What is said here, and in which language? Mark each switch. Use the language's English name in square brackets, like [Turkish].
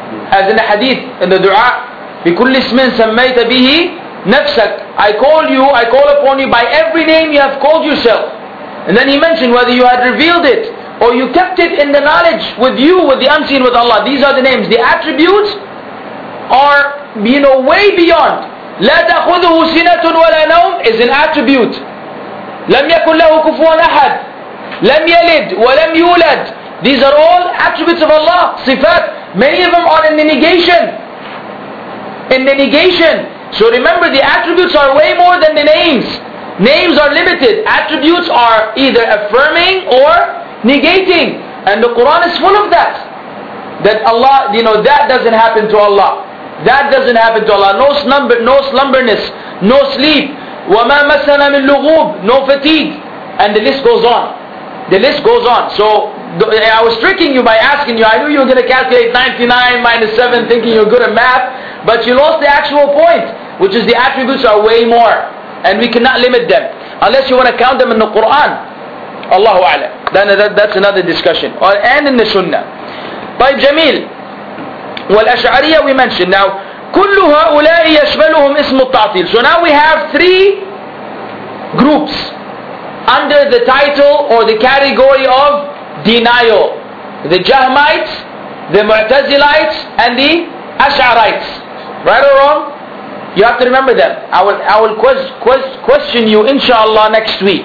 [English] As in the hadith, in the dua, [Arabic] بِكُلِّ اسْمٍ سَمَّيْتَ بِهِ نَفْسَكَ. [English] I call upon you by every name you have called yourself. And then he mentioned whether you had revealed it or you kept it in the knowledge with you, with the unseen, with Allah. These are the names. The attributes are, you know, way beyond. [Arabic] لَا تَأْخُذُهُ سِنَةٌ وَلَا نَوْمٌ [English] is an attribute. [Arabic] لَمْ يَكُنْ لَهُ كُفُوًا أَحَدٌ لَمْ يَلِدْ وَلَمْ يُولَدْ. [English] These are all attributes of Allah, sifat. Many of them are in the negation. In the negation. So remember, the attributes are way more than the names. Names are limited. Attributes are either affirming or negating. And the Quran is full of that. That Allah, you know, that doesn't happen to Allah. That doesn't happen to Allah. No slumber, no slumberness, no sleep. [Arabic] وَمَا مَسَّنَا مِنْ لُغُوبٍ. [English] No fatigue. And the list goes on. The list goes on. So I was tricking you by asking you. I knew you were going to calculate 99 minus 7 thinking you're good at math. But you lost the actual point, which is the attributes are way more. And we cannot limit them. Unless you want to count them in the Quran. Allahu A'lam. That's another discussion. And in the Sunnah. [Arabic] طيب جميل. [English] والأشعرية we mentioned. Now, [Arabic] كل هؤلاء يشملهم اسم التعطيل. [English] So now we have three groups under the title or the category of denial. The Jahmites, the Mu'tazilites, and the Ash'arites. Right or wrong? You have to remember them. I will question you inshallah next week.